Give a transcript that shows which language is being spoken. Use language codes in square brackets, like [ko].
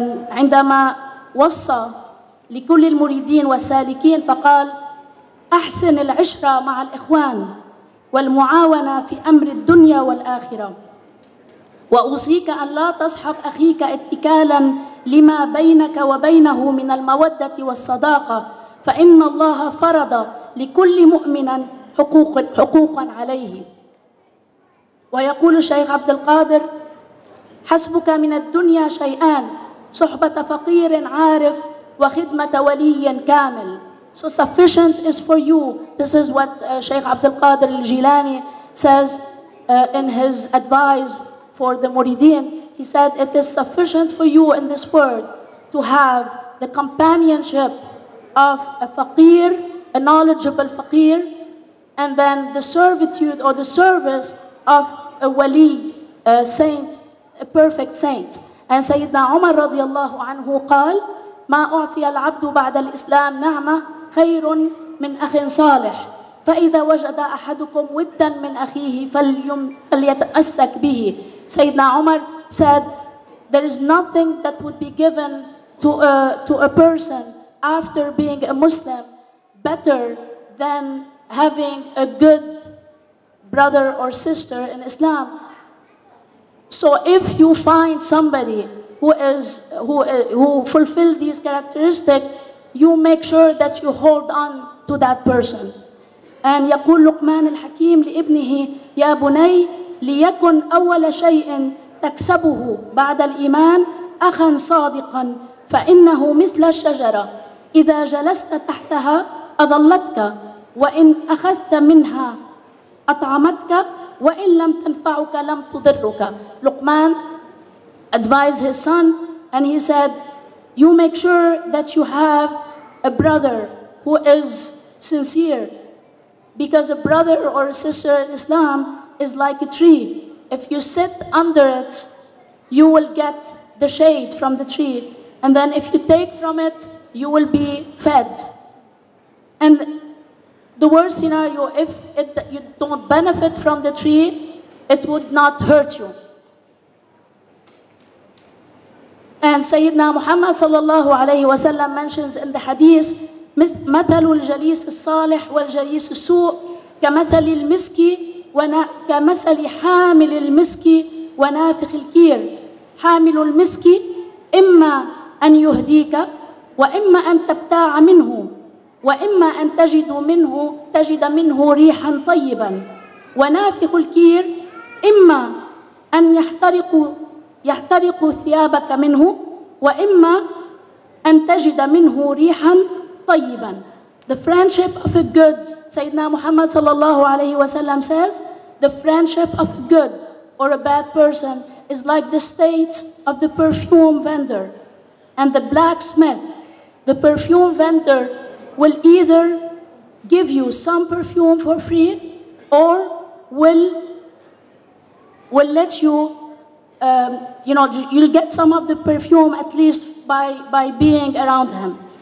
[ar] عندما وصى لكل المريدين والسالكين فقال أحسن العشرة مع الإخوان والمعاونة في أمر الدنيا والآخرة، وأوصيك أن لا تصحب أخيك اتكالاً لما بينك وبينه من المودة والصداقة، فإن الله فرض لكل مؤمن حقوقاً عليه. ويقول الشيخ عبد القادر حسبك من الدنيا شيئان، صحبة فقير عارف وخدمة ولي كامل. [en] So sufficient is for you. This is what Shaykh Abdul Qadir al-Jilani says in his advice for the Muridin. He said, it is sufficient for you in this world to have the companionship of a faqir, a knowledgeable faqir, and then the servitude or the service of a wali, a saint, a perfect saint. And Sayyidina Umar radiallahu anhu qal, [ar] مَا أُعْتِيَ الْعَبْدُ بَعْدَ الْإِسْلَامِ نَعْمَةً خير من أخ صالح فإذا وجد أحدكم ودا من أخيه فليتأسك به. سيدنا عمر [en] said there is nothing that would be given to a person after being a Muslim better than having a good brother or sister in Islam. So if you find somebody who fulfills these characteristics, you make sure that you hold on to that person. [ar] And يقول لقمان الحكيم لابنه يا بني ليكن أول شيء تكسبه بعد الإيمان أخا صادقا فإنه مثل الشجرة إذا جلست تحتها أظلتك وإن أخذت منها أطعمتك وإن لم تنفعك لم تضرك. [en] لقمان advised his son and he said, you make sure that you have a brother who is sincere, because a brother or a sister in Islam is like a tree. If you sit under it, you will get the shade from the tree. And then if you take from it, you will be fed. And the worst scenario, if you don't benefit from the tree, it would not hurt you. And Sayyidina Muhammad sallallahu alayhi wa sallam mentions in the hadith, [ar] مثل الجليس الصالح والجليس السوء كمثل المسك كمثل حامل المسك ونافخ الكير. حامل المسك إما أن يهديك وإما أن تبتاع منه وإما أن تجد منه ريحا طيبا، ونافخ الكير إما أن يحترق ثيابك منه وإما أن تجد منه ريحا طيبا. [en] The friendship of a good, Sayyidina Muhammad sallallahu alayhi wa sallam says, the friendship of a good or a bad person is like the state of the perfume vendor and the blacksmith. The perfume vendor will either give you some perfume for free or will let you, you know, you'll get some of the perfume at least by being around him.